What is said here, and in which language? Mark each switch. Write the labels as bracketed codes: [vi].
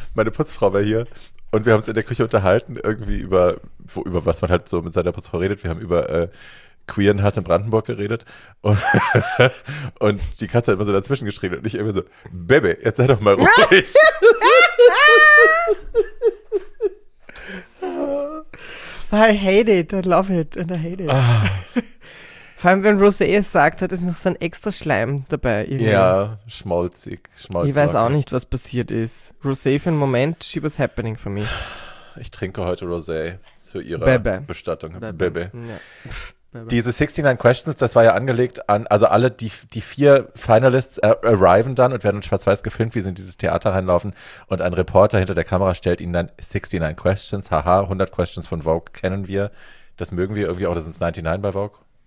[de] Meine Putzfrau war hier und wir haben uns in der Küche unterhalten, irgendwie über was man halt so mit seiner Putzfrau redet. Wir haben über queeren Hass in Brandenburg geredet und die Katze hat immer so dazwischen geschrien und ich immer so, Baby, jetzt sei doch mal ruhig. [en] I hate it, I love it and I hate it. Ah. [de] Vor allem, wenn Rosé es sagt, hat es noch so ein extra Schleim dabei. Irgendwie. Ja, schmalzig. Ich weiß auch nicht, was passiert ist. [en] Rosé [de] für einen Moment, [en] she was happening for me. [de] Ich trinke heute Rosé zu ihrer Bestattung. Baby. Ja. Diese 69 Questions, das war ja angelegt an, also alle, die vier Finalists arriven dann und werden schwarz-weiß gefilmt, wie sie in dieses Theater reinlaufen und ein Reporter hinter der Kamera stellt ihnen dann 69 Questions, haha, 100 Questions von Vogue kennen wir, das mögen wir irgendwie auch, das sind 99 bei Vogue?